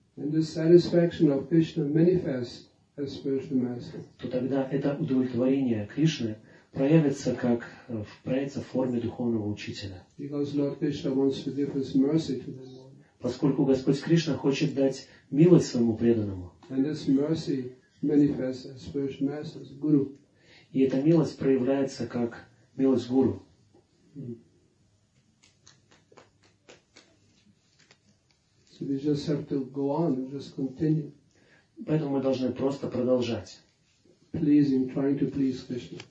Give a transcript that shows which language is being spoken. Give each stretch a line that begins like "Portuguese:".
English: and the satisfaction of Krishna manifests as spiritual master,
Russian: то тогда это удовлетворение Кришны проявится как проявится в форме духовного учителя.
English: Because Lord Krishna wants to give his mercy to the devotee.
Russian: Поскольку Господь Кришна хочет дать милость своему преданному.
English: And this mercy manifests as spiritual master, as guru.
Russian: И эта милость проявляется как милость гуру.
English: So we just have to go on, just continue.
Russian: Поэтому мы должны просто продолжать.
English: Pleasing, trying to please Krishna.